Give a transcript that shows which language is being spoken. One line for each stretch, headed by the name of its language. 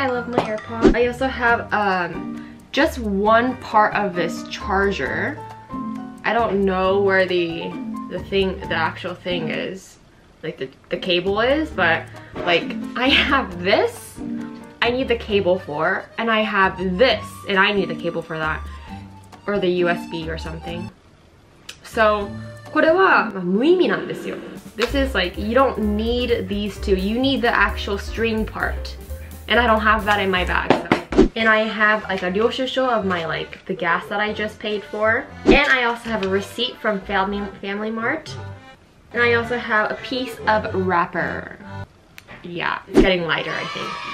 English: I love my AirPods I also have just one part of this chargerI don't know where the thing, the actual thing is, like the cable is, but like I have this, I need the cable for, and I have this, and I need the cable for that, or the USB or something.
Japanese: So, これは無意味なんですよ.
English: This is like, you don't need these two, you need the actual string part, and I don't have that in my bag. And I have like a 領収書 of my like the gas that I just paid for. And I also have a receipt from Family Mart. And I also have a piece of wrapper. Yeah, getting lighter, I think.